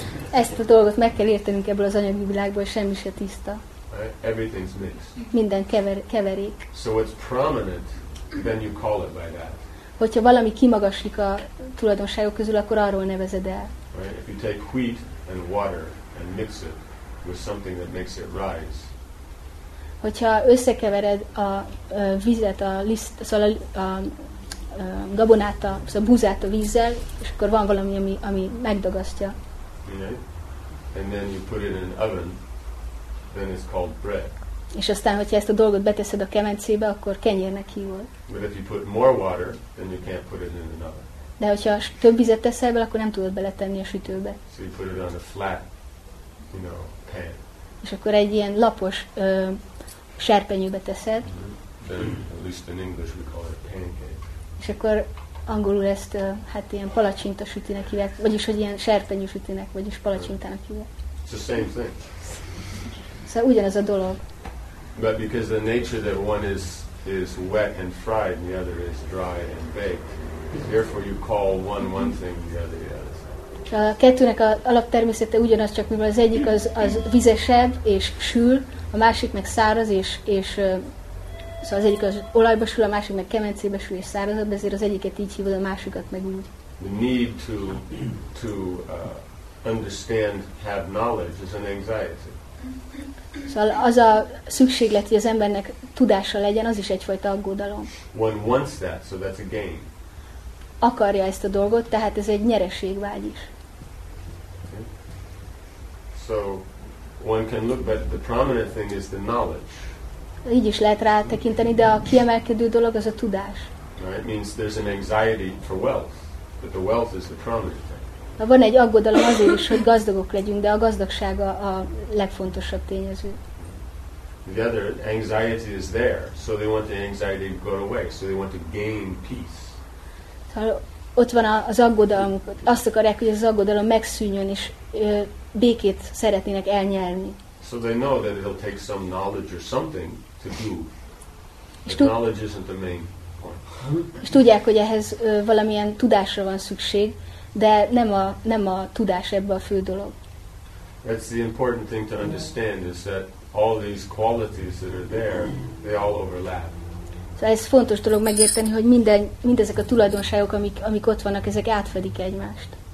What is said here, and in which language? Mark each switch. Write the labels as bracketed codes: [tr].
[hu] Ezt a dolgot meg kell értenünk ebből az anyagi világból, semmi se tiszta. [en] Everything's mixed. [hu] Minden keverik. [en] So it's prominent, then you call it by that. [hu] Hogyha valami kimagaslik a tulajdonságok közül, akkor arról nevezed el. [en] Right? If you take wheat and water and mix it with something that makes it rise. [hu] Hogyha összekevered a vizet a liszt, szóval a gabonát, szóval búzát a vízzel, és akkor van valami, ami megdagasztja. [en] Yeah. And then you put it in an oven, then it's called bread. [hu] És aztán, hogyha ezt a dolgot beteszed a kemencébe, akkor kenyérnek hívod. [en] But if you put more water, then you can't put it in an oven. [hu] De hogyha több vizet teszel bele, akkor nem tudod beletenni a sütőbe. [en] So you put it on a flat, you know, pan. [hu] És akkor egy ilyen lapos serpenyőbe teszed. Mm-hmm. [en] Then, at least in English we call it pancake. [hu] És akkor angolul ezt hát ilyen palacsinta sütinek hívják, vagyis hogy ilyen serpenyő sütinek, vagyis palacsintának hívják. [en] It's the same thing. [hu] Szóval ugyanaz a dolog. [en] But because the nature that one is wet and fried and the other is dry and baked, therefore you call one thing the other. [hu] A kettőnek az alaptermészete ugyanaz, csak mivel az egyik az vizesebb és sül, a másik meg száraz és szóval az egyik az olajba sül, a másik meg kemencébe sül és szárazabb, ezért az egyiket így hívod, a másikat meg úgy. [en] The need to understand, have knowledge is an anxiety. [hu] Szóval az a szükséglet, hogy az embernek tudása legyen, az is egyfajta aggódalom. [en] One wants that, so that's a gain. [hu] Akarja ezt a dolgot, tehát ez egy nyereségvágy is. [en] Okay. So one can look, but the prominent thing is the knowledge. [hu] Így is lehet rá tekinteni, de a kiemelkedő dolog az a tudás. [en] Right, means there's an anxiety for wealth, but the wealth is the prominent thing. [hu] Na, van egy aggodalom azért is, hogy gazdagok legyünk, de a gazdagság a legfontosabb tényező. [en] The other anxiety is there, so they want the anxiety to go away, so they want to gain peace. [hu] Tehát ott van az aggodalmuk, azt akarják, hogy az aggodalom megszűnjön, és békét szeretnének elnyerni. [en] So they know that it'll take some knowledge or something to do. Knowledge isn't the main point. [hu] És tudják, hogy ehhez valamilyen tudásra van szükség, de nem a tudás ebbe a fő dolog. [en] That's the important thing to understand, is that all these qualities that are there, they all overlap. [hu] Ez fontos dolog megérteni, hogy mindezek a tulajdonságok, amik ott vannak, ezek átfedik egymást.